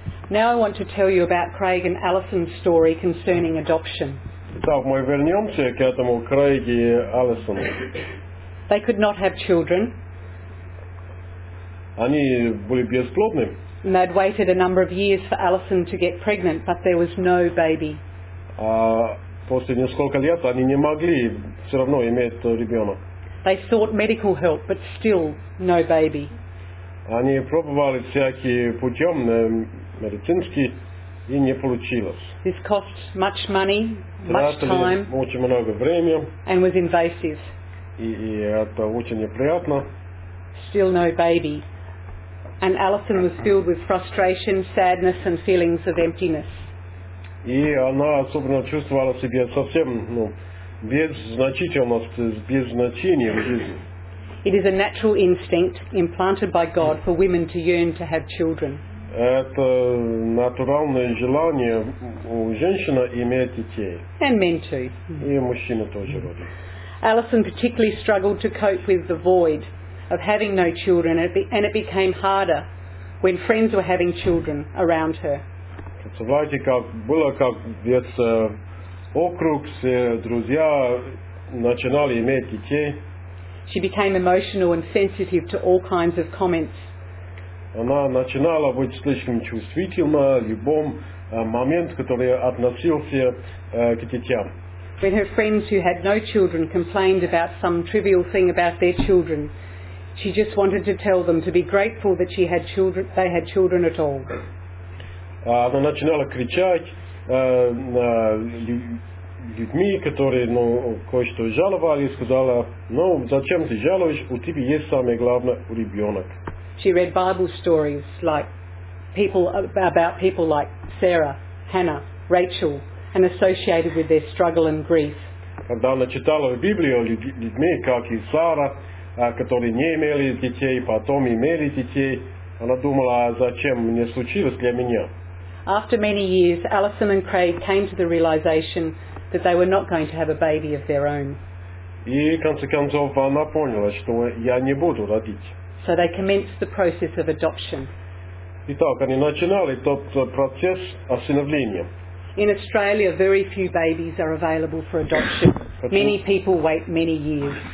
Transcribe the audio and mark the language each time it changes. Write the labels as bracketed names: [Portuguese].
[English] Now I want to tell you about Craig and Allison's story concerning adoption. [Russian] Итак, мы вернемся к этому Крейг и Аллисон. [English] They could not have children. [Russian] Они были бесплодны. [English] And they'd waited a number of years for Allison to get pregnant, but there was no baby. [Russian] После нескольких лет они не могли все равно иметь ребенок. [English] They sought medical help, but still no baby. [Russian] Они пробовали всякие путем медицинские, и не получилось. [English] This cost much money, much time, [Russian] очень много времени, [English] and was invasive. [Russian] И это очень неприятно. [English] Still no baby. And Allison was filled with frustration, sadness, and feelings of emptiness. [Russian] И она особенно чувствовала себя совсем, без значительности, без значения в жизни. [English] It is a natural instinct implanted by God for women to yearn to have children. [Russian] Это натуральное желание у женщины иметь детей. [English] And men too. [Russian] И мужчины тоже вроде. [English] Allison particularly struggled to cope with the void of having no children, and it became harder when friends were having children around her. [Russian] Представляете, как было, как весь округ, все друзья начинали иметь детей. [English] She became emotional and sensitive to all kinds of comments. [Russian] Она начинала быть слишком чувствительна в любом момент, который относился к детям. [English] When her friends who had no children complained about some trivial thing about their children, she just wanted to tell them to be grateful that she had children, they had children at all. [Russian] Она начинала кричать на людьми, которые ну, кое-что жаловали, и сказала, ну, зачем ты жалуешь, у тебя есть самое главное, ребенок. [English] She read Bible stories like people about people like Sarah, Hannah, Rachel, and associated with their struggle and grief. [Russian] Когда она читала в Библии людьми, как и Сара, которые не имели детей, потом имели детей, она думала, зачем мне случилось для меня? [English] After many years, Alison and Craig came to the realization that they were not going to have a baby of their own. [Russian] И в конце концов она поняла, что я не буду родить. [English] So they commenced the process of adoption. [Russian] Итак, они начинали тот процесс осиновления. [English] In Australia, very few babies are available for adoption. Many people wait many years.